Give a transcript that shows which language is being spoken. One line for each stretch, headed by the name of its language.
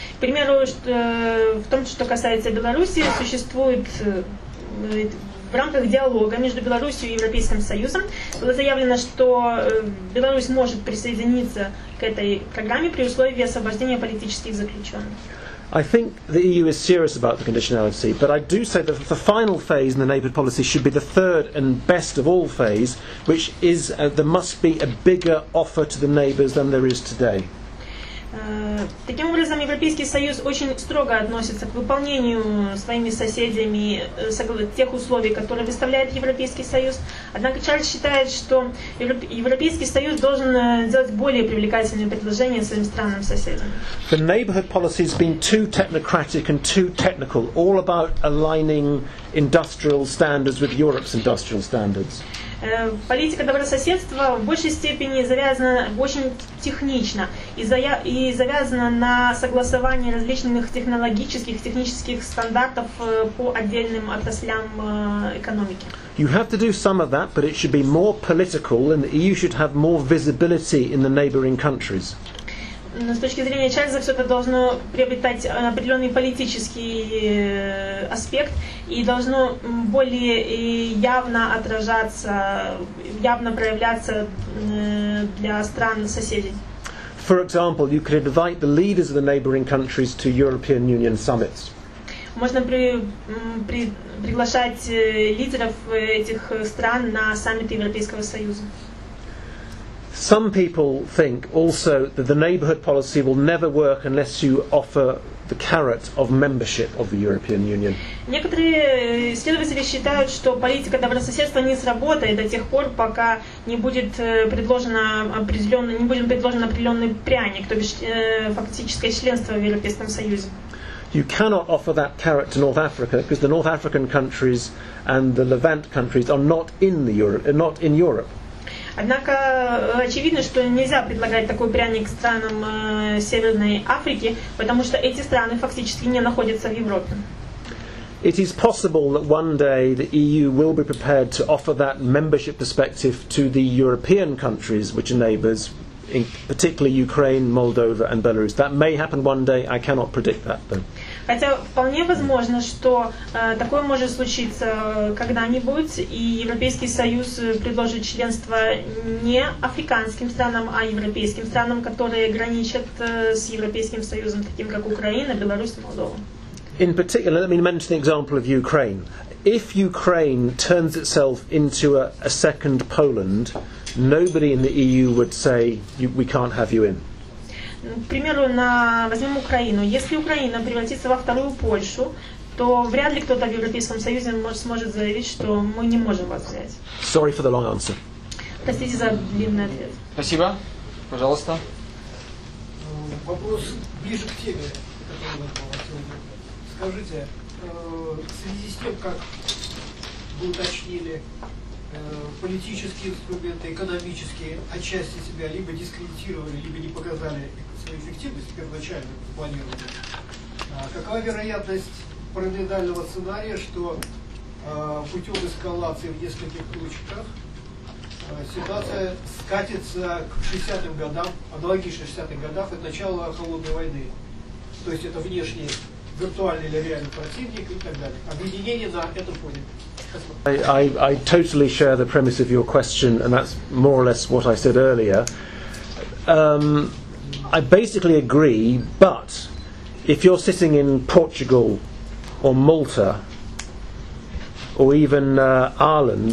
Russian: К примеру, в том, что касается Беларуси, существует в рамках диалога между Беларусью и Европейским Союзом было заявлено, что Беларусь может присоединиться к этой программе при условии освобождения политических заключенных.
English: I think the EU is serious about the conditionality, but I do say that the final phase in the neighbourhood policy should be the third and best of all phase, which is there must be a bigger offer to the neighbours than there is today.
Russian: Таким образом, Европейский Союз очень строго относится к выполнению своими соседями тех условий, которые выставляет Европейский Союз. Однако Чарльз считает, что Европейский Союз должен делать более привлекательные предложения своим странам-соседям.
English: The neighborhood policy has been too technocratic and too technical, all about aligning industrial standards with Europe's industrial standards.
Russian: Политика добрососедства в большей степени завязана очень технично и завязана на согласовании различных технологических, технических стандартов по отдельным отраслям экономики.
English: You have to do some of that, but it should be more political, and you should have more visibility in the neighboring countries.
Russian: Но с точки зрения Чарльза, все это должно приобретать определенный политический аспект и должно более явно отражаться, явно проявляться для стран-соседей.
English: For example, you could invite the leaders of the neighboring countries to European Union summits.
Russian: Можно приглашать лидеров этих стран на саммиты Европейского Союза.
English: Some people think also that the neighbourhood policy will never work unless you offer the carrot of membership of the European Union.
Russian: Некоторые исследователи считают, что политика добрососедства не сработает до тех пор, пока не будет предложен определенный пряник, то бишь фактическое членство в Европейском Союзе.
English: You cannot offer that carrot to North Africa because the North African countries and the Levant countries are not in Europe.
Russian: Однако очевидно, что нельзя предлагать такой пряник странам Северной Африки, потому что эти страны фактически не находятся в Европе.
English: It is possible that one day the EU will be prepared to offer that membership perspective to the European countries, which are neighbors, in particularly Ukraine, Moldova and Belarus. That may happen one day, I cannot predict that though.
Russian: Хотя вполне возможно, что такое может случиться когда-нибудь, и Европейский Союз предложит членство не африканским странам, а европейским странам, которые граничат с Европейским Союзом, таким как Украина, Беларусь, Молдова.
English: In particular, let me mention the example of Ukraine. If Ukraine turns itself into a second Poland, nobody in the EU would say, we can't have you in.
Russian: К примеру, возьмем Украину. Если Украина превратится во вторую Польшу, то вряд ли кто-то в Европейском Союзе сможет заявить, что мы не можем вас взять.
English: Sorry for the long answer.
Russian: Простите за длинный ответ. Спасибо. Пожалуйста. Вопрос ближе к теме, который у нас был сегодня. Скажите, в связи с тем, как вы уточнили, политические инструменты, экономические отчасти себя либо дискредитировали, либо не показали свою эффективность первоначально планированную. Какова вероятность параноидального сценария, что путем эскалации в нескольких точках ситуация скатится к 60-м годам, аналогично 60-м годам, и начало холодной войны. То есть это внешний виртуальный или реальный противник и так далее. Объединение на этом фоне.
English: I totally share the premise of your question, and that's more or less what I said earlier. I basically agree, but if you're sitting in Portugal or Malta, or even Ireland.